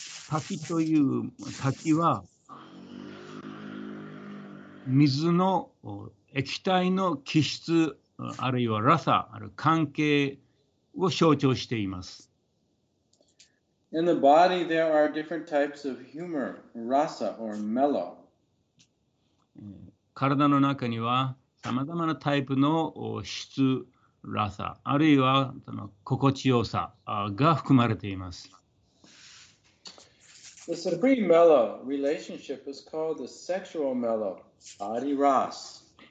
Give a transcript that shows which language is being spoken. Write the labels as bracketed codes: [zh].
[ja] 滝という滝は水の液体の気質あるいはラサある関係を象徴しています。 [en] In the body, there are different types of humor, rasa, or mellow. [ja] 体の中にはさまざまなタイプの質、ラサ、あるいは心地よさが含まれています。 [en] The supreme mellow relationship is called the sexual mellow, adi ras.